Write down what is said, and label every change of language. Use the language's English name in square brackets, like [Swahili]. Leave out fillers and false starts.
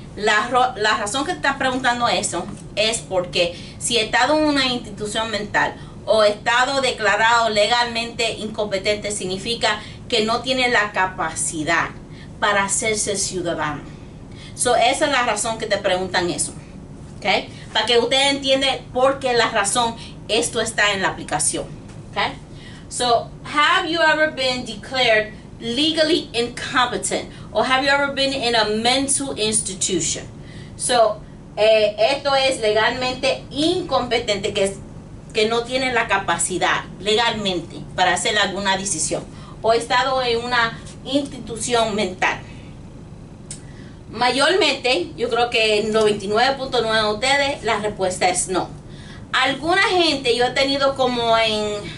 [Spanish] La razón que estás preguntando eso es porque si he estado en una institución mental o he estado declarado legalmente incompetente, significa que no tiene la capacidad para hacerse ciudadano. So, esa es la razón que te preguntan eso, ¿ok? Para que usted entienda por qué la razón esto está en la aplicación. Okay? [English] So, have you ever been declared legally incompetent? Or have you ever been in a mental institution? [Spanish] So, esto es legalmente incompetente, que no tiene la capacidad legalmente para hacer alguna decisión. O he estado en una institución mental. Mayormente, yo creo que 99.9 de ustedes, la respuesta es no. Alguna gente, yo he tenido como en